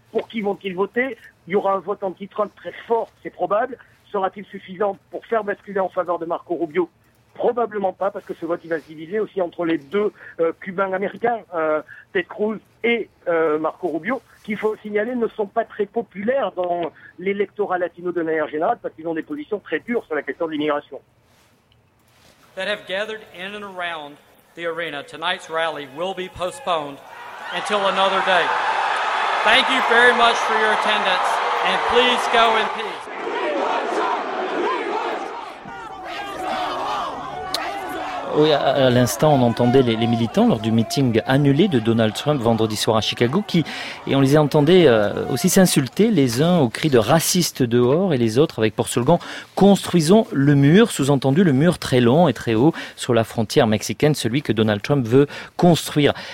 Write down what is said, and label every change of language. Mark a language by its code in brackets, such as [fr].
[fr] Pour qui vont-ils voter? Il y aura un vote anti-Trump très fort, c'est probable. Sera-t-il suffisant pour faire basculer en faveur de Marco Rubio? Probablement pas, parce que ce vote, il va se diviser aussi entre les deux Cubains-Américains, Ted Cruz et Marco Rubio, qui, il faut signaler, ne sont pas très populaires dans l'électorat latino de manière générale, parce qu'ils ont des positions très dures sur la question de l'immigration. [en] That have gathered in and around the arena, tonight's rally will be postponed until another day. Thank you very much for your attendance, and please go in peace. [fr] Oui, à l'instant, on entendait les militants lors du meeting annulé de Donald Trump vendredi soir à Chicago, qui, et on les entendait aussi s'insulter, les uns au cri de raciste dehors et les autres avec pour slogan « Construisons le mur », sous-entendu le mur très long et très haut sur la frontière mexicaine, celui que Donald Trump veut construire.